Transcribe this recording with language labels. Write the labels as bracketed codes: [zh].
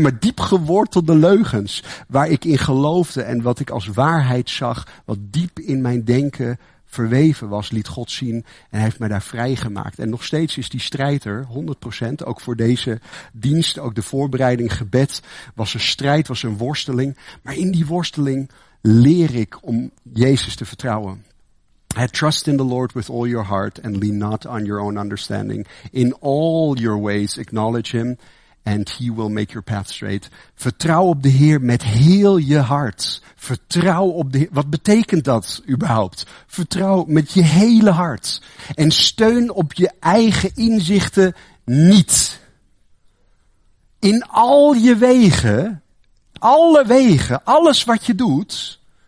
[nl] maar diep gewortelde leugens, waar ik in geloofde en wat ik als waarheid zag, wat diep in mijn denken verweven was, liet God zien en heeft mij daar vrijgemaakt. En nog steeds is die strijd er, 100%, ook voor deze dienst, ook de voorbereiding, gebed, was een strijd, was een worsteling. Maar in die worsteling leer ik om Jezus te vertrouwen. [en] Trust in the Lord with all your heart and lean not on your own understanding. In all your ways acknowledge him and he will make your path straight. [nl] Vertrouw op de Heer met heel je hart. Vertrouw op de Heer. Wat betekent dat überhaupt? Vertrouw met je hele hart. En steun op je eigen inzichten niet. In al je wegen, alle wegen, alles wat je doet.